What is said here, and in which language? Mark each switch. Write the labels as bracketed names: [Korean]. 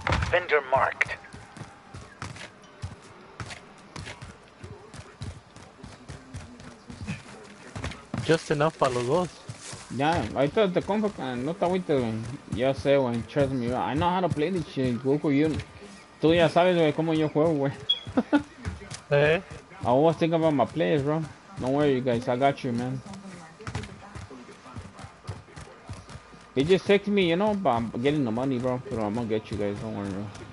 [English] Vendor marked. Just enough [Spanish] para los dos. Ya, ahorita te compro, no te agüites, güey. Ya sé, güey, [English] trust me, [Spanish] wey. [English] I know how to play this shit, Goku, you... [Spanish] Tú ya sabes, güey, cómo yo juego, güey. ¿Eh? [English] I always think about my players, bro. Don't worry, you guys, I got you, man. They just text me, you know, but I'm getting the money, bro. But I'm gonna get you guys, don't worry, bro.